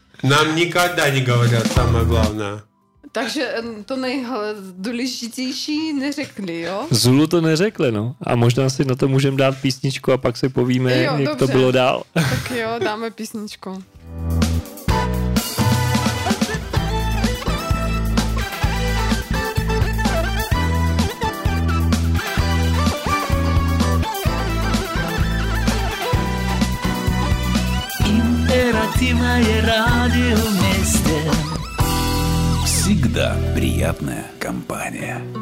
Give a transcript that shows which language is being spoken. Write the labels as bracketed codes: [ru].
[ru] Нам никогда не говорят самое главное. [cs] Takže to nejdůležitější neřekli, jo? Zulu to neřekli, no. A možná si na to můžeme dát písničku a pak se povíme, jo, jak dobře. To bylo dál. Tak jo, dáme písničku. Imperativa je rádio městě. [ru] Всегда приятная компания.